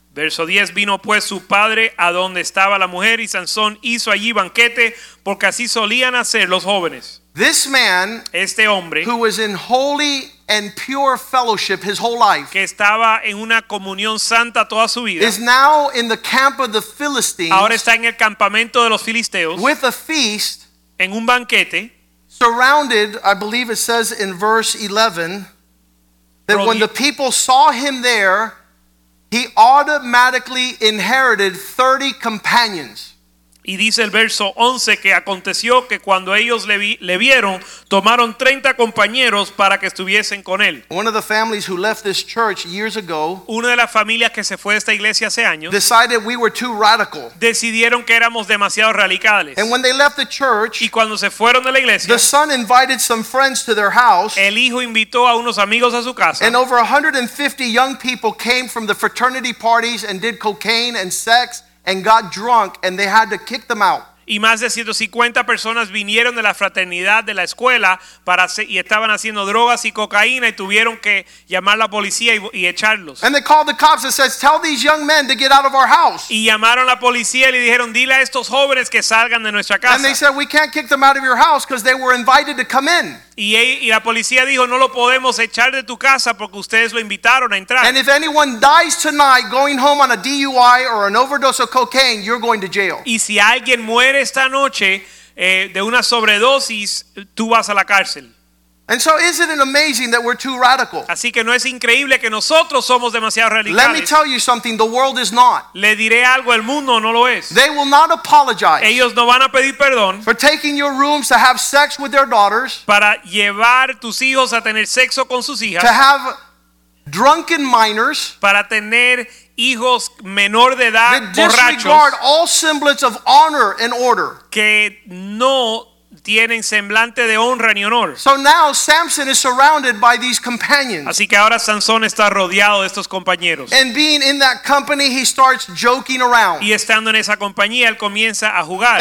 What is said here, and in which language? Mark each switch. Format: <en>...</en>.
<es>Verso 10, vino pues su padre a donde estaba la mujer y Sansón hizo allí banquete porque así solían hacer los jóvenes.</es> <en>This man,</en> <es>este hombre,</es> <en>who was in holy and pure fellowship his whole life,</en> <es>que estaba en una comunión santa toda su vida,</es> <en>is now in the camp of the Philistines.</en> <es>Ahora está en el campamento de los filisteos.</es> <en>With a feast,</en> <es>en un banquete,</es> <en>surrounded, I believe it says in verse 11, that when the people saw him there, he automatically inherited 30 companions.</en> <es>Y dice el verso 11 que aconteció que cuando ellos le vieron, tomaron 30 compañeros para que estuviesen con él.</es> <en>One of the families who left this church years ago,</en> <es>una de las familias que se fue de esta iglesia hace años,</es> <en>decided we were too radical.</en> <es>Decidieron que éramos demasiado radicales.</es> <en>And when they left the church,</en> <es>y cuando se fueron de la iglesia,</es> <en>the son invited some friends to their house,</en> <es>el hijo invitó a unos amigos a su casa,</es> <en>and over 150 young people came from the fraternity parties and did cocaine and sex. And got drunk, and they had to kick them out.</en> <es>Y más de 150 personas vinieron de la fraternidad de la escuela y estaban haciendo drogas y cocaína y tuvieron que llamar a la policía y echarlos.</es> <en>And they called the cops and said, "Tell these young men to get out of our house."</en> <es>Y llamaron a la policía y le dijeron, "Dile a estos jóvenes que salgan de nuestra casa."</es> <en>And they said, "We can't kick them out of your house because they were invited to come in."</en> <es>Y la policía dijo, "No lo podemos echar de tu casa porque ustedes lo invitaron a entrar."</es> <en>And if anyone dies tonight going home on a DUI or an overdose of cocaine, you're going to jail.</en> <es>Y si alguien muere esta noche de una sobredosis, tú vas a la cárcel.</es> <en>And so isn't it amazing that we're too radical?</en> <es>Así que no es increíble que nosotros somos demasiado radicales.</es> <en>Let me tell you something, the world is not.</en> <es>Le diré algo, el mundo no lo es.</es> <en>They will not apologize.</en> <es>Ellos no van a pedir perdón.</es> <en>For taking your rooms to have sex with their daughters.</en> <es>Para llevar tus hijos a tener sexo con sus hijas.</es> <en>To have drunken minors.</en> <es>Para tener hijos menor de edad borrachos.</es> <en>That disregard all semblance of honor and order.</en> <es>Que no tienen semblante de honra ni honor.</es> <en>So now Samson is surrounded by these companions.</en> <es>Así que ahora Sansón está rodeado de estos compañeros.</es> <en>And being in that company, he starts joking around.</en> <es>Y estando en esa compañía, él comienza a jugar.</es>